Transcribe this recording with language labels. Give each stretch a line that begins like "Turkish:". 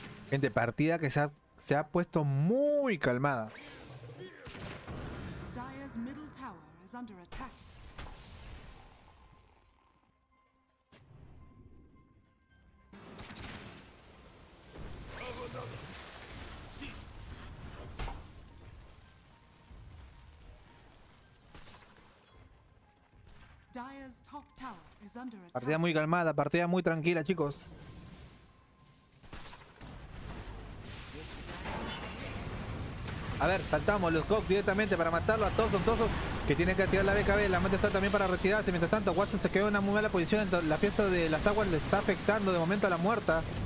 Spanish: Gente, partida que se ha puesto muy calmada.
English: Dire's middle tower is under attack. Dire's top tower is under attack.
Spanish: Partida muy calmada, partida muy tranquila, chicos. A ver, saltamos los cops directamente para matarlo a Thompson, que tiene que activar la BKB. La mata está también para retirarse. Mientras tanto, Watson se queda en una muy mala posición. La fiesta de las aguas le está afectando de momento a la muerta.